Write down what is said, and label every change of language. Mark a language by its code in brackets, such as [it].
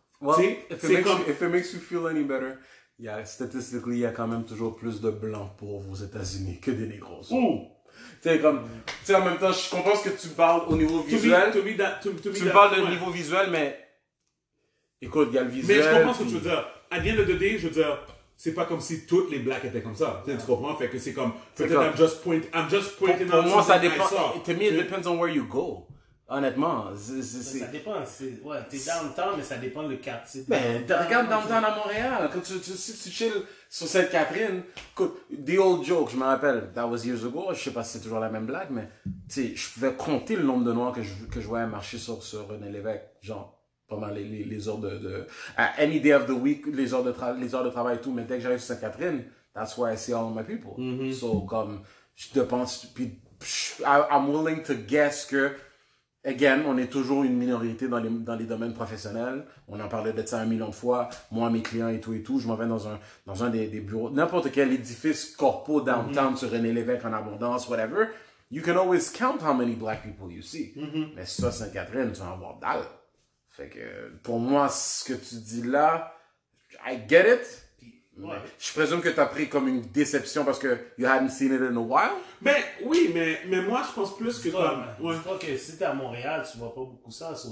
[en] Well, if it makes you feel any better, yeah, statistically, [fr] il y a quand même toujours plus de blancs pauvres aux États-Unis que des négros. Tu sais, comme, tu sais, en même temps, je comprends ce que tu parles au niveau visuel. Niveau visuel, mais écoute, il y a le visuel. Mais je comprends ce que tu veux dire. À bien le 2D, je veux dire, c'est pas comme si toutes les blacks étaient comme ça. Yeah. Tu comprends? Fait que c'est comme, peut-être [en] I'm just pointing [fr] out. Pour moi, ça dépend. [en] To me, it depends on where you go. [fr] Honnêtement, c'est... Ça dépend, c'est... Ouais, t'es downtown, mais ça dépend le quartier. Ben, regarde downtown à Montréal. Quand tu chilles sur Sainte-Catherine, écoute, [en] the old joke, [fr] je me rappelle, [en] that was years ago, [fr] je sais pas si c'est toujours la même blague, mais, tu sais, je pouvais compter le nombre de noirs que je voyais marcher sur René Lévesque, genre, pendant les heures de... À [en] any day of the week, [fr] les heures de travail et tout, mais dès que j'arrive sur Sainte-Catherine, [en] that's why I see all my people. [fr] Mm-hmm. So, comme, je te pense, puis [en] I'm willing to guess [fr] que... Again, on est toujours une minorité dans les domaines professionnels. On en parlait d'être ça un million de fois. Moi, mes clients et tout, je m'en vais dans un des bureaux. N'importe quel édifice corpo downtown sur René Lévesque en abondance, whatever. [en] You can always count how many black people you see. [fr] Mm-hmm. Mais ça, Sainte-Catherine, tu vas avoir dalle. Fait que pour moi, ce que tu dis là, [en] I get it. [fr] Ouais. Je présume que tu as pris comme une déception parce que [en] you hadn't seen it in a while. [fr] Mais oui, mais moi je pense plus que comme. Ouais. Je crois que si t'es à Montréal, tu vois pas beaucoup ça.